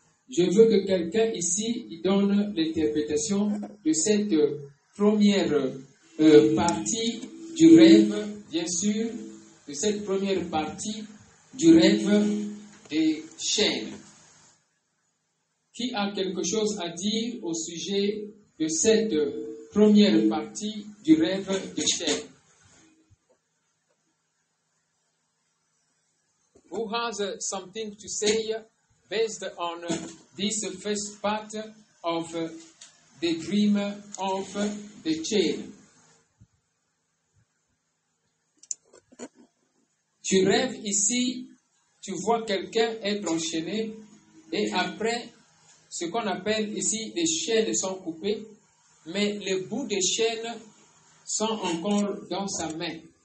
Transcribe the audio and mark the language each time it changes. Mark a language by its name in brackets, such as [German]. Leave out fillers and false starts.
[French] Je veux que quelqu'un ici donne l'interprétation de cette première partie du rêve, bien sûr, de cette première partie du rêve des chaînes. Qui a quelque chose à dire au sujet de cette première partie du rêve des chaînes? [English] Who has something to say based on this first part of the dream of the chain? [French] Tu rêves ici, tu vois quelqu'un être enchaîné, et après, ce qu'on appelle ici, les chaînes sont coupées, mais le bout des chaînes sont encore dans sa main.